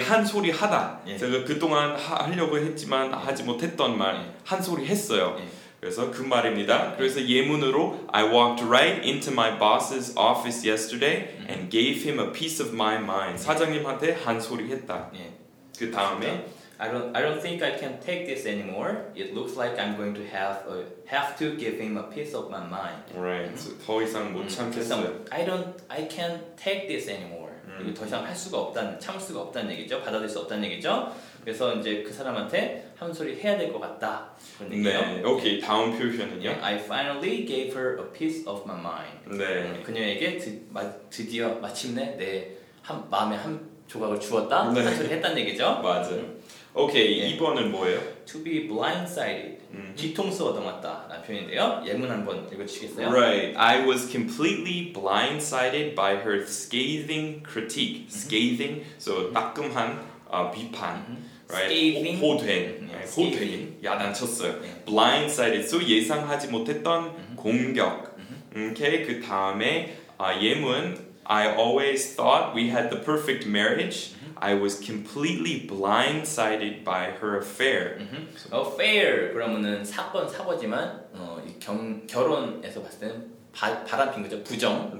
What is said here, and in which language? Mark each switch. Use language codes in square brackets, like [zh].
[ko] 한 소리 하다 예. 제가 그동안 하려고 했지만 예. 하지 못했던 말 한 예. 소리 했어요. 예. [en] 그래서 그 말입니다. 예. 그래서 예문으로 I walked right into my boss's office yesterday and gave him a piece of my mind. 예. [ko] 사장님한테 한 소리 했다. 예. 그 다음에 [en] I don't think I can take this anymore. It looks like I'm going to have to give him a piece of my mind. Right. [ko] So, 더 이상 못 참겠어요. [en] I can't take this anymore. [ko] 더 이상 할 수가 없다는 참을 수가 없다는 얘기죠. 받아들일 수 없다는 얘기죠. 그래서 이제 그 사람한테 한 소리 해야 될 것 같다. 네. 오케이. Okay. 다음 표현은요. [en] Yeah, I finally gave her a piece of my mind. [ko] 네. 그녀에게 드디어 마침내 내 한 마음의 한 조각을 주었다. 네. 한 소리 했다는 얘기죠. 맞아요. 오케이, okay, 2번은 예. 뭐예요? [en] To be blindsided, [ko] 뒤통수 얻어맞다 라는 표현인데요. 예문 한번 읽어주시겠어요? [en] Right, I was completely blindsided by her scathing critique. [ko] Scathing, so 따끔한 비판. Right? Scathing. 호된, [en] yeah. [ko] 호된, scathing. 야단쳤어요. [en] Yeah. [ko] Blindsided, so 예상하지 못했던 공격. 오케이, okay, 그 다음에 예문. [en] I always thought we had the perfect marriage. I was completely blindsided by her affair. Mm-hmm. [ko] Affair 그러면은 사건 사고지만 결혼에서 봤을 때는 바람핀 거죠 부정